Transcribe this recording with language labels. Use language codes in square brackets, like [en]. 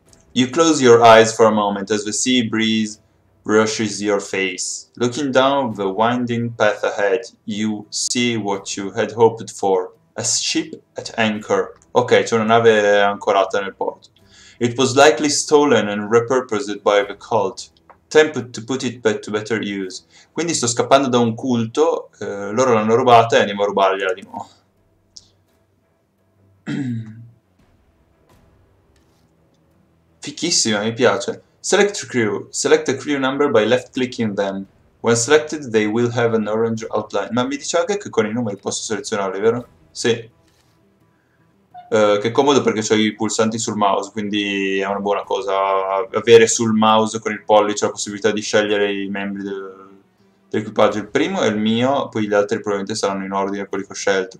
[en] You close your eyes for a moment as the sea breeze brushes your face. Looking down the winding path ahead, you see what you had hoped for. A ship at anchor. [it] Ok, c'è una nave ancorata nel porto. [en] It was likely stolen and repurposed by the cult. Tempted to put it back to better use. [it] Quindi sto scappando da un culto, loro l'hanno rubata e andiamo a rubargliela di nuovo. Fichissima, mi piace. [en] Select crew. Select a crew number by left clicking them. When selected, they will have an orange outline. [it] Ma mi dice anche che con i numeri posso selezionarli, vero? Sì. Che è comodo perché c'ho i pulsanti sul mouse, quindi è una buona cosa. Avere sul mouse con il pollice la possibilità di scegliere i membri dell'equipaggio. Il primo è il mio, poi gli altri probabilmente saranno in ordine quelli che ho scelto.